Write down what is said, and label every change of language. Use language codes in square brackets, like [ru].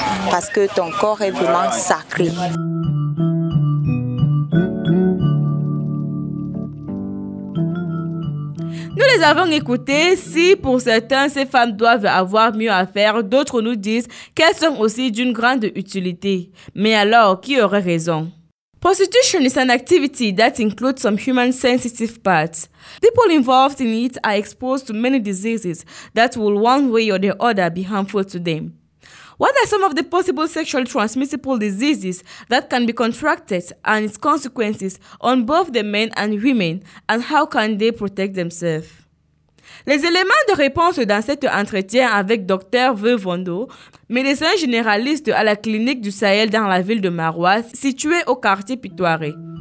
[fr] Parce que ton corps est vraiment sacré. Nous les avons écoutés. Si pour certains, ces femmes doivent avoir mieux à faire, d'autres nous disent qu'elles sont aussi d'une grande utilité. Mais alors, qui aurait raison? [en] Prostitution is an activity that includes some human sensitive parts. People involved in it are exposed to many diseases that will one way or the other be harmful to them. What are some of the possible sexually transmissible diseases that can be contracted and its consequences on both the men and women, and how can they protect themselves? [fr] Les éléments de réponse dans cet entretien avec Dr. Veuvondo, médecin généraliste à la clinique du Sahel dans la ville de Marois, située au quartier Pitoiré.